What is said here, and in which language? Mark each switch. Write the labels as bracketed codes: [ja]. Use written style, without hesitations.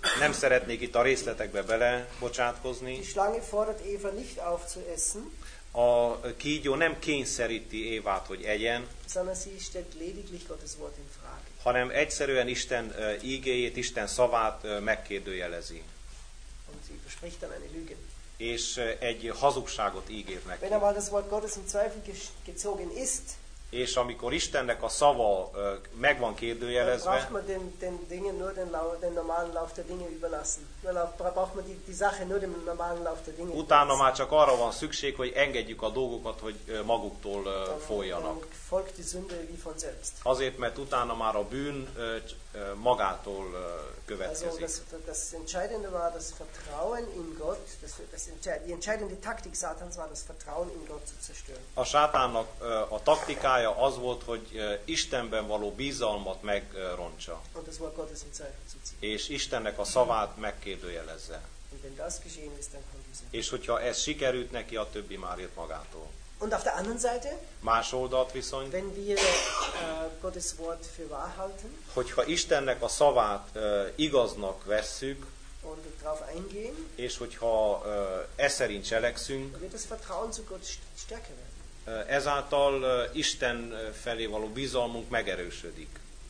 [hu] Nem szeretnék itt a részletekbe bele bocsátkozni. [de] Die Schlange fordert Eva nicht auf zu essen. [hu] A kígyó nem kényszeríti Évát, hogy egyen. [de] Sondern sie stellt lediglich Gottes Wort in Frage. [hu] Hanem egyszerűen Isten ígéjét, Isten szavát megkérdőjelezi. [de] Spricht dann eine Lüge. [hu] És egy hazugságot ígér neki. [de] Wenn aber das Wort Gottes in Zweifel gezogen ist, [hu] és amikor Istennek a szava megvan kérdőjelezve, [de] braucht man den Dingen nur den normalen Lauf der Dinge überlassen. Braucht man die Sache nur dem normalen Lauf der Dinge. [hu] Utána már csak arra van szükség, hogy engedjük a dolgokat, hogy maguktól folyjanak. [de] Folgt die Sünde wie von selbst. [hu] Azért, mert utána már a bűn magától következik. [de] Also das Entscheidende war das Vertrauen in Gott. Die entscheidende Taktik Satans war das Vertrauen in Gott zu zerstören. [hu] A sátánnak a taktikája az volt, hogy Istenben való bizalmat megrontsa. [de] Und das Wort Gottes in Zweifel zu ziehen. [hu] És Istennek a szavát megkérdőjelezze. [de] Und wenn das geschehen ist, dann kommt diese. [hu] És hogyha ez sikerült neki, a többi már jött magától. [de] Und auf der anderen Seite? [hu] Más oldalt viszont. [de] Wenn wir Gottes Wort für wahr halten. [hu] Hogyha Istennek a szavát igaznak vesszük. [de] Und darauf eingehen. [hu] És hogyha eszerint cselekszünk. [de] Wird das Vertrauen zu Gott stärker werden. [hu] Ezáltal Isten felé való bizalmunk megerősödik.